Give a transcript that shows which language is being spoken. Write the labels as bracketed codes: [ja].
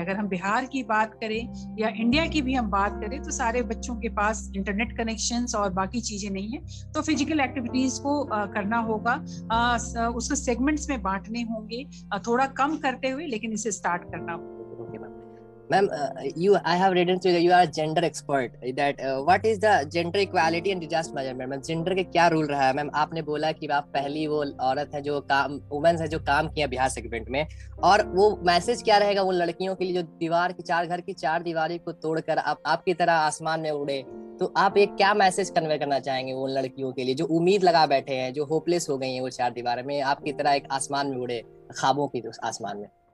[hi] अगर हम बिहार की बात करें या इंडिया की भी हम बात करें तो सारे बच्चों के पास इंटरनेट कनेक्शंस और बाकी चीजें नहीं है, तो फिजिकल एक्टिविटीज को करना होगा, उसको सेगमेंट्स में बांटने होंगे, थोड़ा कम करते हुए लेकिन इसे स्टार्ट करना होगा। [en] Ma'am, I have written to you are a gender expert. That what is the gender equality and disaster management? [hi] Ma'am, gender के क्या rule रहा है? Ma'am, आपने बोला कि आप पहली वो औरत है जो काम, women है जो काम किया बिहार segment में, और वो message क्या रहेगा उन लड़कियों के लिए जो दीवार की चार घर की चार दीवारी को तोड़कर आपकी तरह आसमान में उड़े, तो आप एक क्या मैसेज कन्वे करना चाहेंगे उन लड़कियों के लिए जो उम्मीद लगा बैठे हैं, जो होपलेस हो गई है वो चार दीवार में आपकी तरह एक आसमान में उड़े, ख्वाबों की आसमान में?